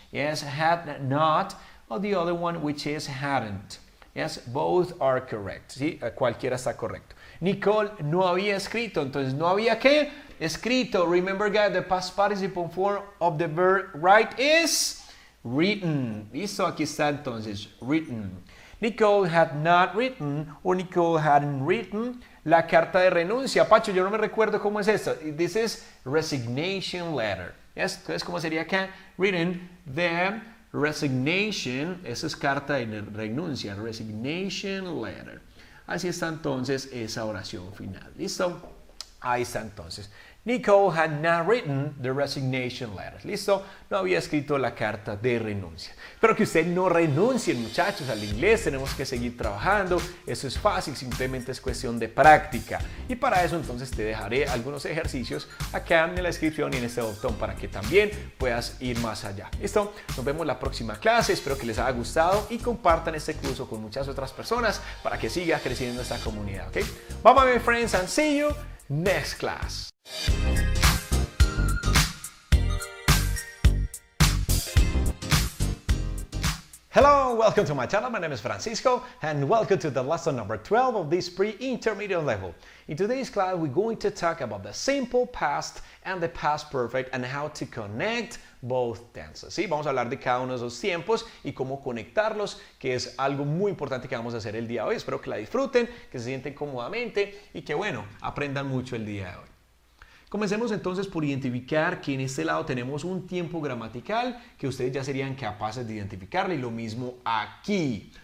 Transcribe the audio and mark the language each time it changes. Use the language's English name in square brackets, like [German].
[English] Yes, had not, or the other one, which is hadn't. Yes, both are correct. [Spanish] Sí, cualquiera está correcto. Nicole no había escrito, entonces no había qué. [English] Escrito, remember guys, the past participle form of the verb write is written. [Spanish] Listo, aquí está entonces, [English] written. Nicole had not written, or Nicole hadn't written, [Spanish] la carta de renuncia. Pacho, yo no me recuerdo cómo es esto. [English] This is resignation letter. Yes, [Spanish] entonces, ¿cómo sería acá? [English] Written, the resignation, [Spanish] esa es carta de renuncia, [English] resignation letter. [Spanish] Así está entonces esa oración final. Listo, ahí está entonces. [English] Nicole had not written the resignation letter. ¿Listo? [Spanish] No había escrito la carta de renuncia. Espero que ustedes no renuncien, muchachos, al inglés. Tenemos que seguir trabajando. Eso es fácil. Simplemente es cuestión de práctica. Y para eso, entonces, te dejaré algunos ejercicios acá en la descripción y en este botón para que también puedas ir más allá. ¿Listo? Nos vemos la próxima clase. Espero que les haya gustado y compartan este curso con muchas otras personas para que siga creciendo esta comunidad. ¿Ok? [English] Bye, bye, my friends, and see you next class. Hello, welcome to my channel. My name is Francisco and welcome to the lesson number 12 of this pre-intermediate level. In today's class, we're going to talk about the simple past and the past perfect and how to connect both tenses. [Spanish] Sí, vamos a hablar de cada uno de esos tiempos y cómo conectarlos, que es algo muy importante que vamos a hacer el día de hoy. Espero que la disfruten, que se sienten cómodamente y que, bueno, aprendan mucho el día de hoy. Comencemos entonces por identificar que en este lado tenemos un tiempo gramatical que ustedes ya serían capaces de identificarle y lo mismo aquí.